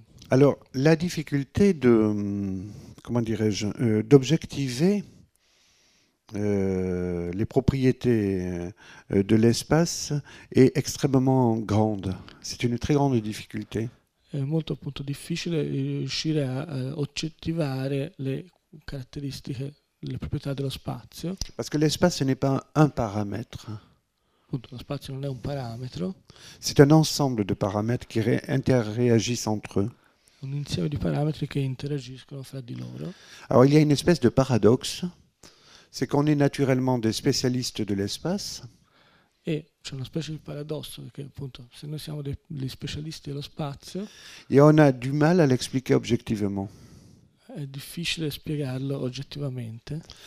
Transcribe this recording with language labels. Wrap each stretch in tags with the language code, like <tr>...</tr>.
<fr>Alors, la difficulté de, comment dirais-je, d'objectiver les propriétés de l'espace est extrêmement grande. C'est une très grande difficulté.</fr> <it>è molto appunto difficile riuscire a oggettivare le caratteristiche, le proprietà dello spazio.</it> <fr>Parce que l'espace n'est pas un paramètre.</fr> <it>Appunto, lo spazio non è un parametro,</it> <fr>C'est un ensemble de paramètres qui interagissent entre eux.</fr> <it>è un insieme di parametri che interagiscono fra di loro.</it> <fr>Alors, il y a une espèce de paradoxe. C'est qu'on est naturellement des spécialistes de l'espace.</fr> <it>E c'è una specie di paradosso, perché appunto se noi siamo degli specialisti dello spazio,</it> <fr>Et on a du mal à l'expliquer objectivement.</fr> <it>è difficile spiegarlo oggettivamente.</it>